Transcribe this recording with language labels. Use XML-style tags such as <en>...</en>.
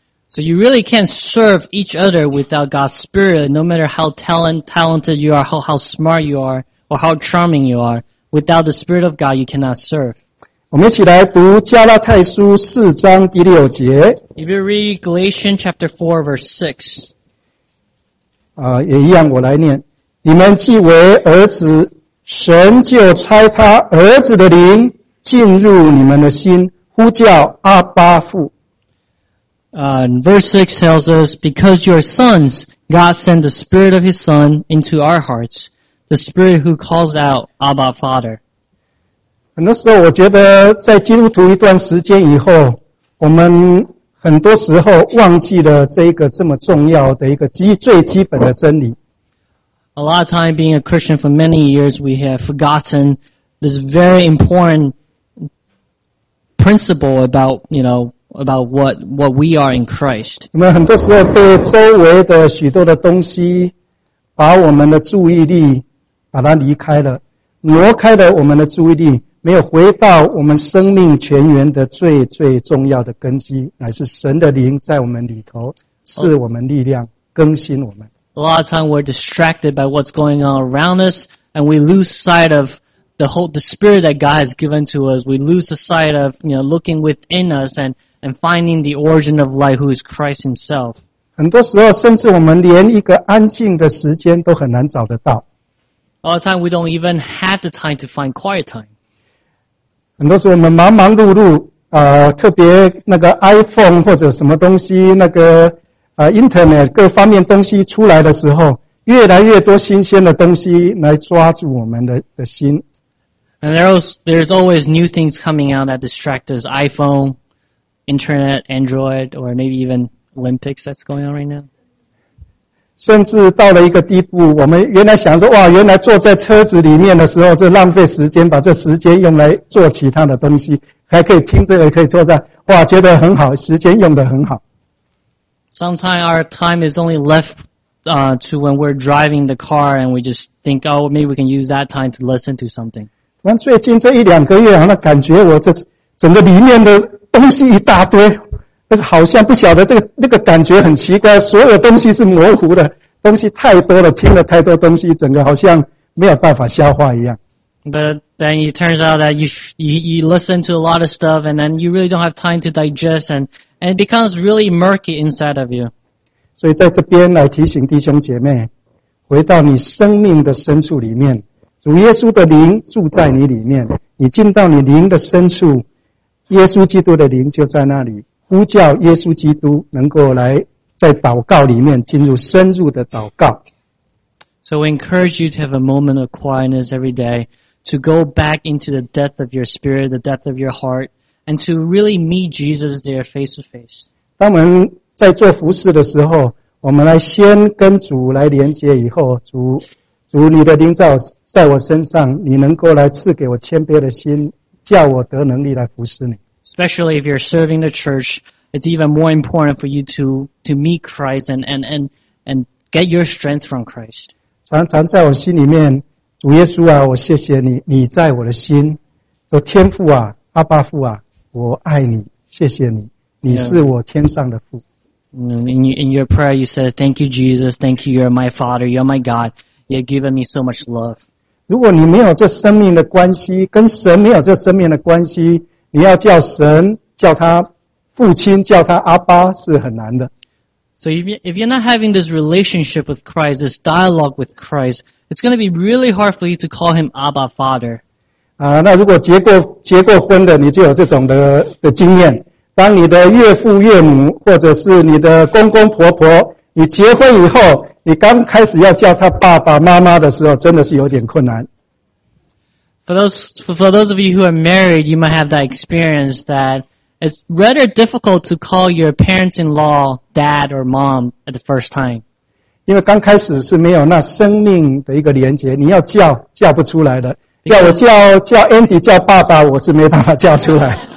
<en>So you really can't serve each other without God's Spirit, no matter how talented you are, how smart you are, or how charming you are. Without the Spirit of God, you cannot serve.</en> <zh>我们一起来读加拉太书四章第六节。</zh> <en>If you read Galatians chapter 4, verse 6.</en> <zh>也一样我来念。你们既为儿子，神就差他儿子的灵进入你们的心，呼叫阿巴父。</zh> <en>Verse 6 tells us, Because you are sons, God sent the Spirit of His Son into our hearts. The Spirit who calls out Abba Father.</en> <zh>很多时候我觉得在基督徒一段时间以后，我们很多时候忘记了这一个这么重要的一个最基本的真理。</zh> <en>A lot of time being a Christian for many years, we have forgotten this very important principle about, you know, about what we are in Christ.</en> <zh>我们很多时候被周围的许多的东西把我们的注意力把它离开了，挪开了我们的注意力，没有回到我们生命全源的最最重要的根基，乃是神的灵在我们里头，赐我们力量，更新我们。</zh> <en>A lot of time we're distracted by what's going on around us, and we lose sight of the spirit that God has given to us. We lose the sight of, you know, looking within us and finding the origin of life, who is Christ Himself.</en> <zh>很多时候，甚至我们连一个安静的时间都很难找得到。</zh> <en>A lot of time we don't even have the time to find quiet time.</en> <zh>很多时候我们忙忙碌碌，特别那个 iPhone 或者什么东西，那个Internet 各方面东西出来的时候，越来越多新鲜的东西来抓住我们的心。</zh> <en>And there's always new things coming out that distract us. iPhone, Internet, Android, or maybe even Olympics that's going on right now.</en> <zh>甚至到了一个地步，我们原来想说，哇，原来坐在车子里面的时候，这浪费时间，把这时间用来做其他的东西，还可以听这个，可以坐在，哇，觉得很好，时间用得很好。</zh> <en>Sometimes our time is only left to when we're driving the car and we just think, oh, maybe we can use that time to listen to something.</en> <zh>最近这一两个月，那感觉我这整个里面的东西一大堆，那个好像不晓得这个那个感觉很奇怪，所有东西是模糊的，东西太多了，听了太多东西，整个好像没有办法消化一样。</zh> <en>But then it turns out that you listen to a lot of stuff and then you really don't have time to digest and it becomes really murky inside of you.</en> <zh>所以在这边来提醒弟兄姐妹，回到你生命的深处里面，主耶稣的灵住在你里面，你进到你灵的深处，耶稣基督的灵就在那里，呼叫耶稣基督能够来在祷告里面进入深入的祷告。</zh> <en>So we encourage you to have a moment of quietness every day to go back into the depth of your spirit, the depth of your heart,and to really meet Jesus there face to face.</en> <zh>当我们在做服事的时候，我们来先跟主来连接，以后主你的灵在我身上，你能够来赐给我谦卑的心，叫我得能力来服事你。</zh> <en>Especially if you're serving the church, it's even more important for you to meet Christ and get your strength from Christ.</en> <zh>常常在我心里面，主耶稣啊，我谢谢你，你在我的心，说天父啊，阿爸父啊，我爱你，谢谢你，你是我天上的父。</zh> <en>In your prayer, you said, "Thank you, Jesus. Thank you. You're my Father. You're my God. You've given me so much love."</en> <zh>如果你没有这生命的关系，跟神没有这生命的关系，你要叫神叫他父亲，叫他阿爸是很难的。</zh> <en>So if you're not having this relationship with Christ, this dialogue with Christ, it's going to be really hard for you to call him Abba, Father.</en> <zh>那如果结过婚的，你就有这种的经验。当你的岳父岳母或者是你的公公婆婆，你结婚以后，你刚开始要叫他爸爸妈妈的时候，真的是有点困难。</zh> <en>For those of you who are married, you might have that experience that it's rather difficult to call your parents-in-law dad or mom at the first time.</en> <zh>因为刚开始是没有那生命的一个连结，你要叫不出来的。要我叫 Andy 叫爸爸，我是没办法叫出来。</zh>